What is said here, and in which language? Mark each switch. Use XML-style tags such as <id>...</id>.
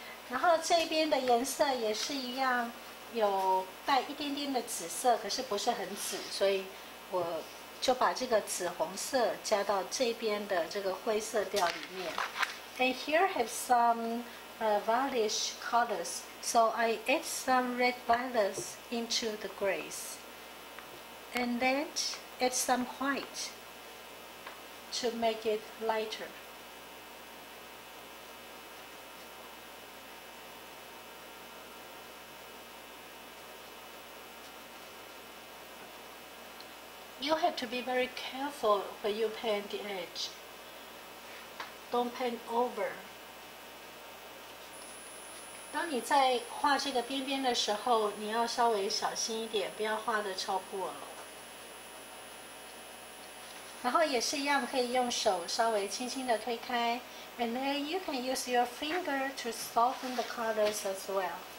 <zh>然后这边的颜色也是一样，有带一点点的紫色，可是不是很紫，所以我就把这个紫红色加到这边的这个灰色调里面。</zh> <en>And here have some violet colors, so I add some red violets into the grays, and then add some white to make it lighter. You have to be very careful when you paint the edge. Don't paint over.</en> <zh>当你在画这个边边的时候，你要稍微小心一点，不要画得超过了。然后也是一样，可以用手稍微轻轻的推开。</zh> <en>And then you can use your finger to soften the colors as well.</en>